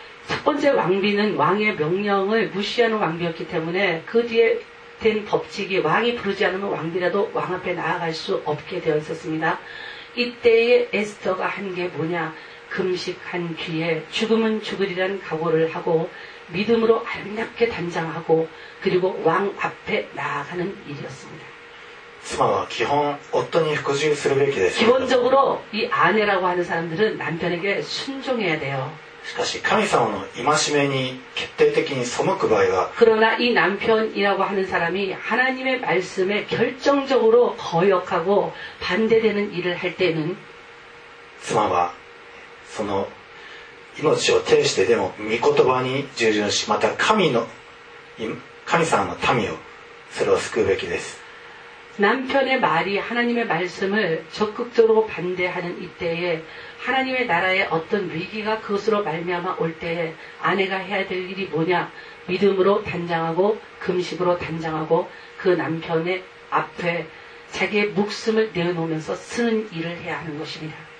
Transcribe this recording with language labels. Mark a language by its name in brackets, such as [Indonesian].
[Korean] 첫번째왕비는왕의명령을무시하는왕비였기때문에그뒤에된법칙이왕이부르지않으면왕비라도왕앞에나아갈수없게되어있었습니다이때에에스터가한게뭐냐금식한뒤에죽음은죽으리라는각오를하고믿음으로아름답게단장하고그리고왕앞에나아가는일이었습니다 [Japanese] 妻は基本夫に服従するべきです。 [Korean] 基本적으로이아내라고하는사람들은남편에게순종해야돼요 [Japanese] しかし神様の戒めに決定的に背く場合は [Korean] 그러나이남편이라고하는사람이하나님의말씀에결정적으로거역하고반대되는일을할때는 [Japanese] 妻はその命を呈してでも御言葉に従順し、また神様の民をそれを救うべきです [Korean] 남편의말이하나님의말씀을적극적으로반대하는이때에하나님의나라에어떤위기가그것으로말미암아올때에아내가해야될일이뭐냐믿음으로단장하고금식으로단장하고그남편의앞에자기의목숨을내어놓으면서쓰는일을해야하는것입니다